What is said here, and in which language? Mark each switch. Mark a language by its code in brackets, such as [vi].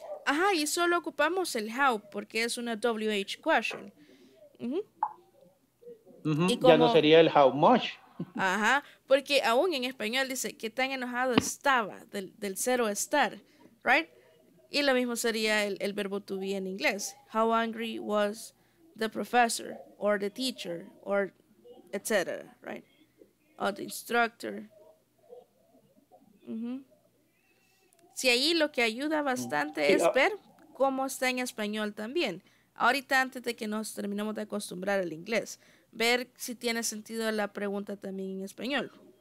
[es] Ajá, y solo ocupamos el how porque es una WH question. Ya no sería el how much. Ajá, porque aún en español dice qué tan enojado estaba del cero estar, right? Y lo mismo sería el verbo to be en inglés. [en] How angry was the professor, or the teacher, or etc., right? Or the instructor. [es] Si ahí lo que ayuda bastante es ver cómo está en español también. Ahorita antes de que nos terminemos de acostumbrar al inglés, ver si tiene sentido la pregunta también en español.